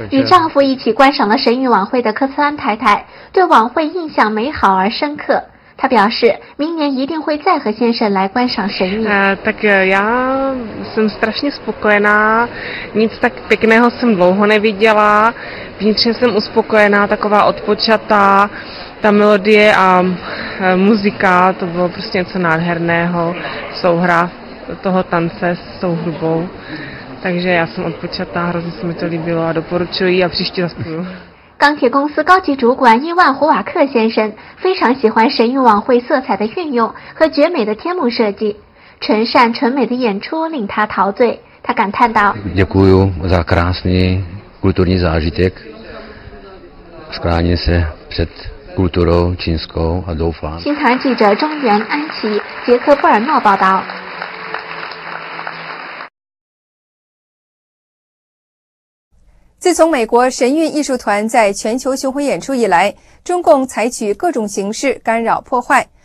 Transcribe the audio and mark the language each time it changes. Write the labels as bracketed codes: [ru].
[zh] 与丈夫一起观赏了神韵晚会的科茨安太太，对晚会印象美好而深刻。她表示，明年一定会再和先生来观赏神韵。 [cs] Tak já jsem strašně spokojená. Nic tak pěkného jsem dlouho neviděla. Vnitřně jsem uspokojená, taková odpočatá. Ta melodie a muzika, to bylo prostě něco nádherného. Souhra toho tance s tou hudbou. Takže já jsem odpočatá, hrozně se mi to líbilo a doporučuji a příště zase půjdu. [zh] 钢铁公司高级主管伊万胡瓦克先生非常喜欢神韵晚会色彩的运用和绝美的天幕设计，纯善纯美的演出令他陶醉。他感叹道： [cs] Děkuji za krásný kulturní zážitek. Skláním se před kulturou čínskou a doufám. [zh] 新唐记者中原安琪，捷克布尔诺报道。自从美国神韵艺术团在全球巡回演出以来，中共采取各种形式干扰破坏。